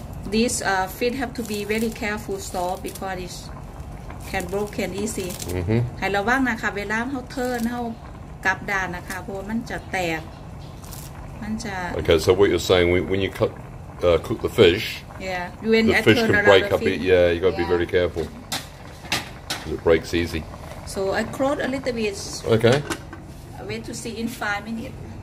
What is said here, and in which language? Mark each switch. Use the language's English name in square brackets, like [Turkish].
[English] This fish have to be very careful store because it can broken easy. Mm-hmm. [Thai] ให้ระวังนะคะเวลาเขาเทินเขากลับด่านนะคะเพราะมันจะแตกมันจะ [English] Okay, so what you're saying when you cut cook the fish, yeah, when the fish can break up, yeah, you got to be very careful. It breaks easy. So I close a little bit. Okay. I wait to see in 5 minutes.